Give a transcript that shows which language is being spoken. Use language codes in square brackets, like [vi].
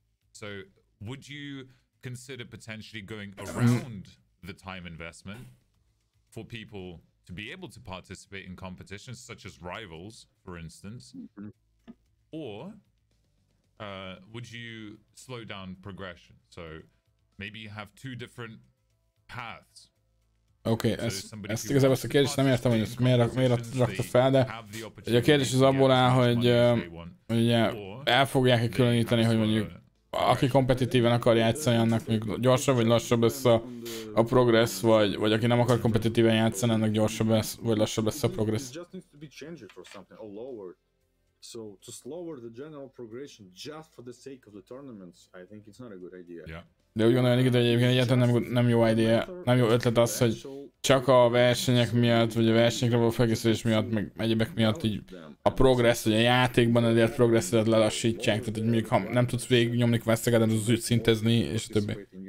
[en] So would you consider potentially going around the time investment for people to be able to participate in competitions such as Rivals, for instance, or would you slow down progression? So maybe you have two different paths. [hu] Okay, so ezt igazából ezt a kérdést nem értem, hogy ezt miért rakta fel, de a kérdés az abból áll, hogy ugye el fogják-e különíteni, hogy mondjuk aki kompetitíven akar játszani, annak még gyorsabb vagy lassabb lesz a progress, vagy aki nem akar kompetitíven játszani, annak gyorsabb lesz, vagy lassabb lesz a progress. [en] Just needs to be changed for something, or lower. So to slower the general progression just for the sake of the tournaments, I think it's not a good idea. [hu] De úgy gondolom, hogy egyébként egyáltalán nem jó idea, nem jó ötlet az, hogy csak a versenyek miatt, vagy a versenyekre való felkészülés miatt, meg egyébek miatt így a progressz, vagy a játékban elért progresszedet lelassítják, tehát hogy mondjuk, ha nem tudsz végignyomni questeket, nem tudsz úgy szintezni, és többi.